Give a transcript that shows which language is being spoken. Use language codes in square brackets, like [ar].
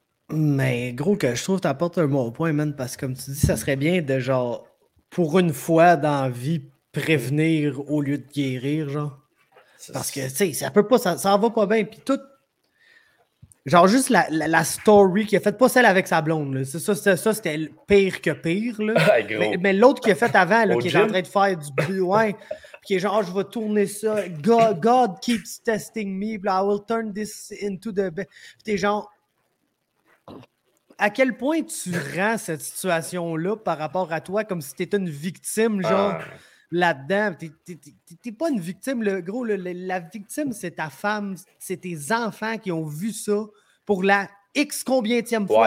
[fr] Mais gros, que je trouve que t'apportes un bon point, man, parce que comme tu dis, ça serait bien de genre pour une fois dans la vie prévenir au lieu de guérir, genre. Parce que, tu sais, ça peut pas, ça en va pas bien. Puis tout. Genre, juste la story qu'il a faite, pas celle avec sa blonde, là. Ça c'était pire que pire, là. mais l'autre qu'il a faite avant, là, qui est en train de faire du bruit, ouais. Puis qui est genre, je vais tourner ça. [en] God keeps testing me, blah, I will turn this into the. [fr] Puis t'es genre. À quel point tu rends cette situation-là par rapport à toi comme si t'étais une victime, genre. Là-dedans, t'es pas une victime. Le gros, la victime, c'est ta femme, c'est tes enfants qui ont vu ça pour la X combientième fois.